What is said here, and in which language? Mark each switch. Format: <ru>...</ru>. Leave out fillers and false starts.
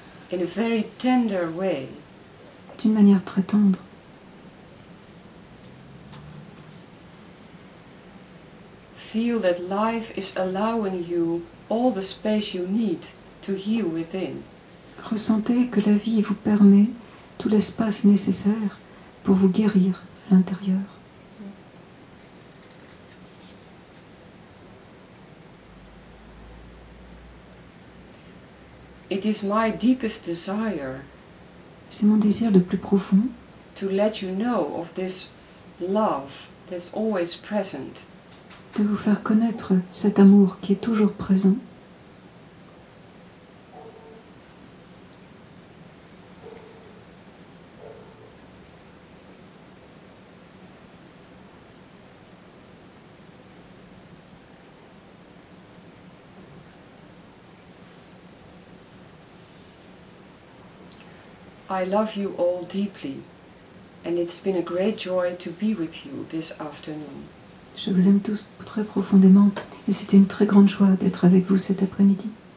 <en>In a very tender way.</en> <fr>D'une manière très tendre.</fr> <en>Feel that life is allowing you all the space you need to heal within.</en> <fr>Ressentez que la vie vous permet tout l'espace nécessaire pour vous guérir à l'intérieur.</fr> <en>It is my deepest desire.</en> <fr>C'est mon désir le plus profond.</fr> <en>To let you know of this love that's always present.</en> <fr>De vous faire connaître cet amour qui est toujours présent.</fr> <en>I love you all deeply, and it's been a great joy to be with you this afternoon.</en> <fr>Je vous aime tous très profondément, et c'était une très grande joie d'être avec vous cet après-midi.</fr>